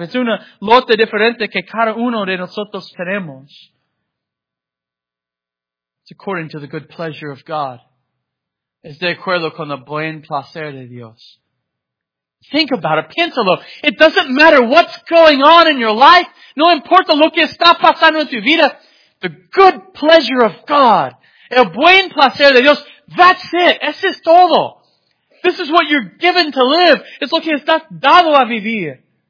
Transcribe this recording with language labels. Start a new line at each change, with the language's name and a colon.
English: It's
Spanish: una lote diferente que cada uno de nosotros tenemos.
English: It's according to the good pleasure of God.
Spanish: Es de acuerdo con el buen placer de Dios.
English: Think about it.
Spanish: Piénsalo.
English: It doesn't matter what's going on in your life.
Spanish: No importa lo que está pasando en tu vida.
English: The good pleasure of God.
Spanish: El buen placer de Dios.
English: That's it.
Spanish: Eso es todo.
English: This is what you're given to live. It's
Spanish: lo que estás dado a vivir.